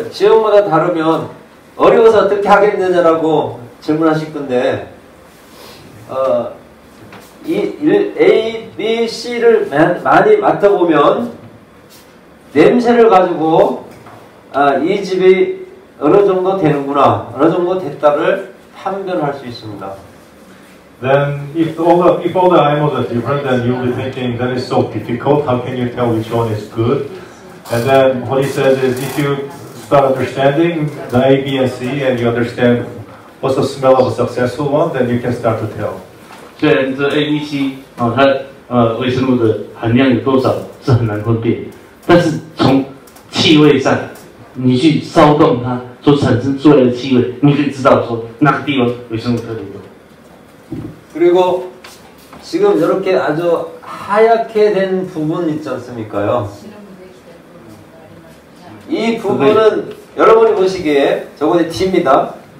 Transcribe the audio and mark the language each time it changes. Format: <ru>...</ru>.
<ko>지역마다 다르면 어려워서 어떻게 하겠느냐라고 질문하실 건데, 이 A, B, C를 많이 맡아보면, 냄새를 가지고, 아, 이 집이 어느 정도 되는구나, 어느 정도 됐다를 판별할 수 있습니다.</ko> <en>Then, if all the animals are different, then you'll be thinking, that is so difficult, how can you tell which one is good? And then, what he says is, if you start understanding the A, B, and C, and you understand what's the smell of a successful one, then you can start to tell.</en> <zh>虽然这 A, B, C 它微生物的含量有多少是很难分辨，但是从气味上，你去骚动它所产生出来的气味，你可以知道说哪个地方微生物特别多。</zh> <ko>그리고 지금 이렇게 아주 하얗게 된 부분 있지 않습니까요? 이 부분은 여러분이 보시기에 저건 D입니다.</ko>